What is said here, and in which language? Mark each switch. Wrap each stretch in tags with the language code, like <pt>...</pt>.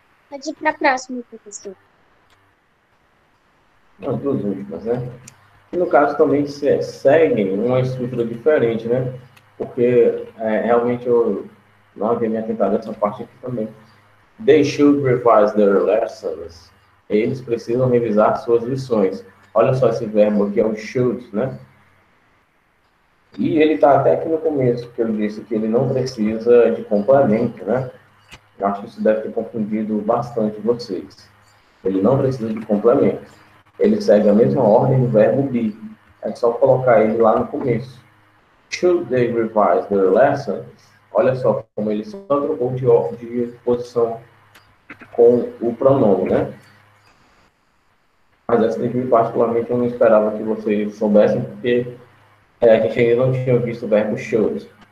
<pt>Pode ir para a próxima, professor. As duas últimas, né? E no caso também seguem uma estrutura diferente, né? Porque realmente eu não havia me atentado nessa parte aqui também.</pt> <en>They should revise their lessons.</en> <pt>Eles precisam revisar suas lições. Olha só esse verbo aqui, é o should, né? E ele está até aqui no começo, porque eu disse que ele não precisa de complemento, né? Eu acho que isso deve ter confundido bastante vocês. Ele não precisa de complemento. Ele segue a mesma ordem do verbo be. É só colocar ele lá no começo.</pt> <en>Should they revise their lesson?</en> <pt>Olha só como ele só trocou de posição com o pronome, né? Mas essa daqui, particularmente, eu não esperava que vocês soubessem, porque a gente ainda não tinha visto o verbo should.</pt>